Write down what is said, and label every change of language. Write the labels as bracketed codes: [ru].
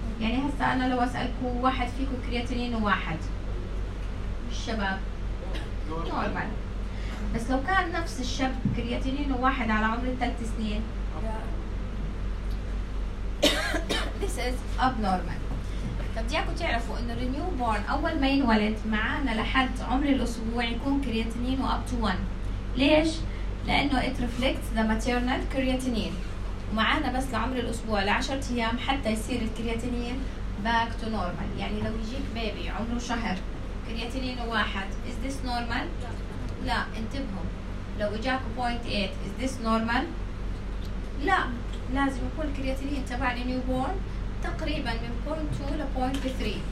[ar] يعني هسا أنا لو أسألكوا واحد فيكم كرياتينين واحد الشباب نورمال، بس لو كان نفس الشاب كرياتينين واحد على عمر 3 سنين [en] This is abnormal. [ar] طب ياكو تعرفوا إنه [en] the newborn [ar] أول ما ينولد معانا لحد عمر الأسبوع يكون كرياتينين up to 1. ليش؟ لأنه [en] it reflects the maternal creatinine. [ar] ومعانا بس لعمر الأسبوع لعشرة أيام حتى يصير الكرياتينين [en] back to normal. [ar] يعني لو يجيك بيبي عمره شهر كرياتينين واحد، [en] is this normal؟ [ar] لا انتبهوا. لو جاك 0.8 [en] is this normal؟ [ar] لا لازم يكون الكرياتينين تبع النيو بورن تقريبا من 0.2 ل 0.3.